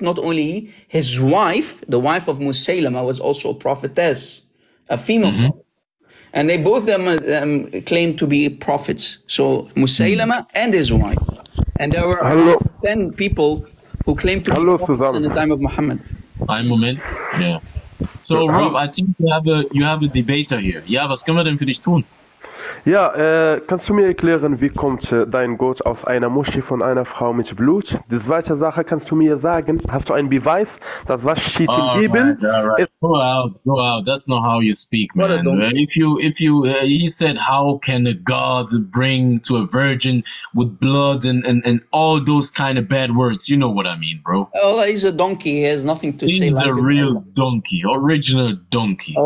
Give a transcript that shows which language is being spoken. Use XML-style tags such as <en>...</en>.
<en>Not only he, his wife, the wife of Musaylama, was also a prophetess, a female prophet. And they both of them claimed to be prophets. So Musaylama and his wife. And there were 10 people who claimed to be prophets in the time of Muhammad.</en> <de>Ein Moment. Yeah.</de> <en>So Rob, I think you have a debater here.</en> <de>Yeah, was können wir denn für dich tun? Ja, kannst du mir erklären, wie kommt dein Gott aus einer Muschi von einer Frau mit Blut? Die zweite Sache, kannst du mir sagen, hast du einen Beweis, dass was steht im Bibel?</de> <en>Go out. That's not how you speak, man. If you he said, how can a God bring to a virgin with blood and all those kind of bad words? You know what I mean, bro. Allah is a donkey. He has nothing to say. He's a real donkey. Original donkey.</en>